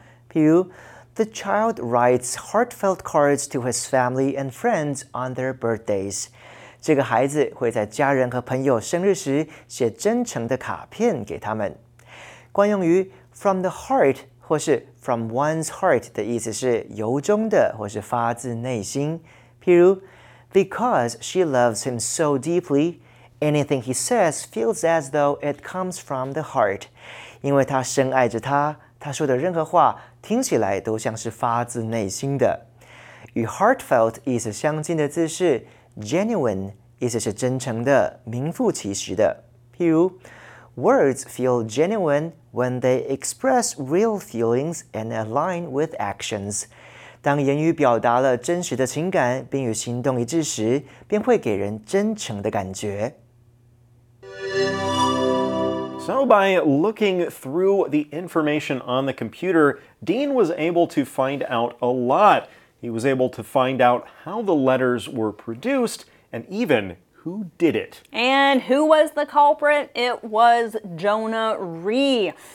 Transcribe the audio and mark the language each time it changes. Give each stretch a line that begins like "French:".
English: The child writes heartfelt cards to his family and friends on their birthdays.
Chinese: 这个孩子会在家人和朋友生日时写真诚的卡片给他们。惯用于
English: from the heart
Chinese: 或是
English: from one's heart
Chinese: 的意思是由衷的或是发自内心。譬如
English: because she loves him so deeply,Anything he says feels as though it comes from the heart.
Chinese: 因为他深爱着他，他说的任何话听起来都像是发自内心的。与 heartfelt 意思相近的字是 genuine, 意思是真诚的，名副其实的。譬如
English: words feel genuine when they express real feelings and align with actions.
Chinese: 当言语表达了真实的情感并与行动一致时，便会给人真诚的感觉。
English: So by looking through the information on the computer, Dean was able to find out a lot. He was able to find out how the letters were produced and even who did it. And who was the culprit? It was Jonah Ree.